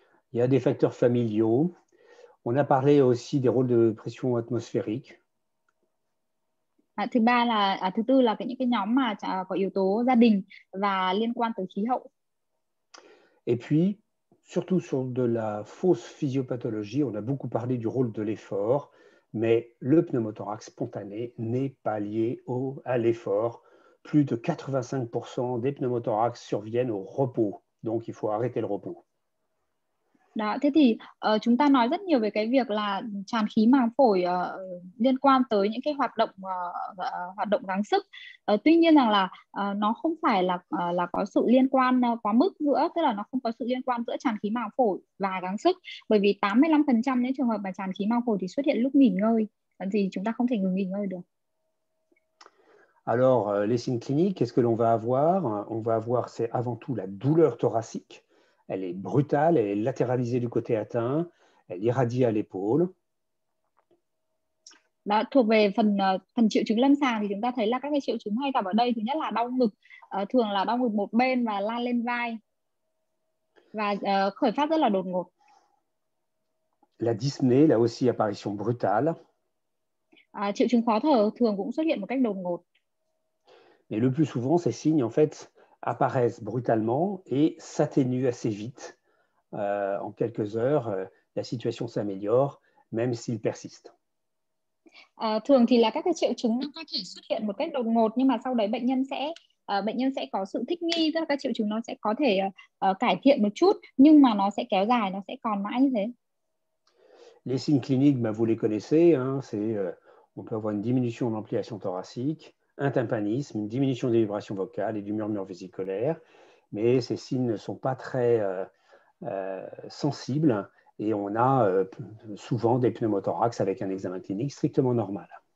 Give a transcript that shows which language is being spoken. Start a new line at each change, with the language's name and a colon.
French: Il y a des facteurs familiaux. On a parlé aussi des rôles de pression atmosphérique.
Vietnamese: Thứ tư là cái những cái nhóm mà có yếu tố gia đình và liên quan tới khí hậu.
French: Et puis surtout sur de la fausse physiopathologie, on a beaucoup parlé du rôle de l'effort, mais le pneumothorax spontané n'est pas lié à l'effort. Plus de 85% des pneumothorax surviennent au repos, donc il faut arrêter le repos.
Vietnamese: Đó, thế thì chúng ta nói rất nhiều về cái việc là tràn khí màng phổi liên quan tới những cái hoạt động gắng sức. Tuy nhiên rằng là nó không phải là có sự liên quan quá mức giữa, tức là nó không có sự liên quan giữa tràn khí màng phổi và gắng sức. Bởi vì 85% những trường hợp mà tràn khí màng phổi thì xuất hiện lúc nghỉ ngơi, thì chúng ta không thể ngừng nghỉ ngơi được.
French: Alors, les signes cliniques, qu'est-ce que l'on va avoir? On va avoir, c'est avant tout la douleur thoracique. Elle est brutale, elle est latéralisée du côté atteint, elle irradie à l'épaule.
Vietnamese: Là thuộc về phần triệu chứng lâm sàng thì chúng ta thấy là các cái triệu chứng hay gặp ở đây, thứ nhất là đau ngực, thường là đau ngực một bên và lan lên vai. Và khởi phát rất là đột ngột.
French: La dyspnée, là aussi apparition brutale.
Vietnamese: Triệu chứng khó thở thường cũng xuất hiện một cách đột ngột.
French: Mais le plus souvent ces signes en fait apparaissent brutalement et s'atténuent assez vite. En quelques heures, la situation s'améliore, même s'il persiste.
Vietnamese: Thường thì là các cái triệu chứng nó có thể xuất hiện một cách đột ngột, nhưng mà sau đấy bệnh nhân sẽ có sự thích nghi, tức là các triệu chứng nó sẽ có thể cải thiện một chút, nhưng mà nó sẽ kéo dài, nó sẽ còn mãi như thế.
French: Les signes cliniques, bah, vous les connaissez, hein, c'est on peut avoir une diminution d'ampliation thoracique, un tympanisme, une diminution des vibrations vocales et du murmure vésiculaire, mais ces signes ne sont pas très sensibles et on a souvent des pneumothorax avec un examen clinique strictement normal.